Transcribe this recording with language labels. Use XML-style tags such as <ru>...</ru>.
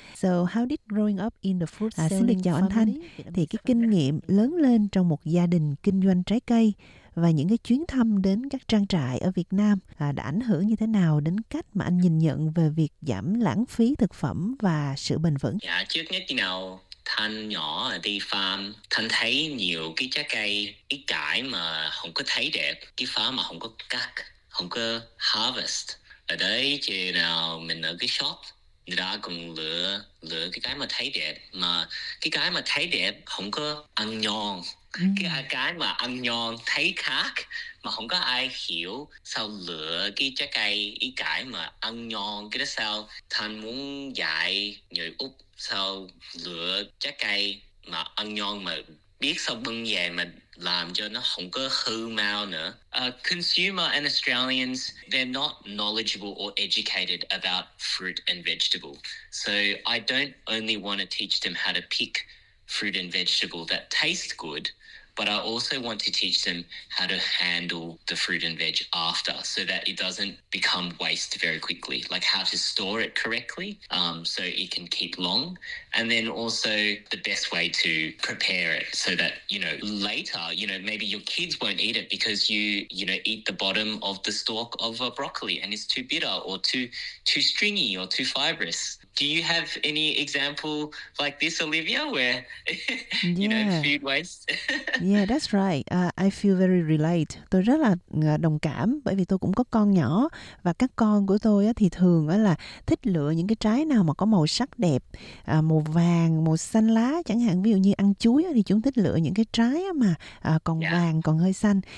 <en>So, how did growing up in the fruit selling</en> <vi>Xin được chào anh Thanh. Thì cái kinh nghiệm lớn lên trong một gia đình kinh doanh trái cây và những cái chuyến thăm đến các trang trại ở Việt Nam đã ảnh hưởng như thế nào đến cách mà anh nhìn nhận về việc giảm lãng phí thực phẩm và sự bền vững? Dạ, trước nhất nào, Thanh nhỏ đi farm, Thanh thấy nhiều cái trái cây, cái cải mà không có thấy đẹp, cái farm mà không có cắt, không có harvest. Ở đấy chỉ nào mình ở cái shop, người ta cũng lựa cái mà thấy đẹp, mà cái mà thấy đẹp không có ăn ngon. Cái mà ăn ngon thấy khác mà không có ai hiểu sao lựa cái trái cây ý cải mà ăn ngon, cái đó sao Thanh muốn dạy người Úc sao lựa trái cây mà ăn ngon mà biết sao bưng về mà làm cho nó không có hư mau nữa.</vi> <en>Consumer and Australians, they're not knowledgeable or educated about fruit and vegetable, so I don't only want to teach them how to pick fruit and vegetable that taste good, but I also want to teach them how to handle the fruit and veg after so that it doesn't become waste very quickly, like how to store it correctly so it can keep long, and then also the best way to prepare it so that, you know, later, you know, maybe your kids won't eat it because you know, eat the bottom of the stalk of a broccoli and it's too bitter or too stringy or too fibrous. Do you have any example like this, Olivia, where, you know, food waste? Yeah, that's right. I feel very relate.</en> <vi>Tôi rất là đồng cảm bởi vì tôi cũng có con nhỏ và các con của tôi thì thường là thích lựa những cái trái nào mà có màu sắc đẹp, màu vàng, màu xanh lá. Chẳng hạn ví dụ như ăn chuối thì chúng thích lựa những cái trái mà còn vàng, còn hơi xanh.</vi>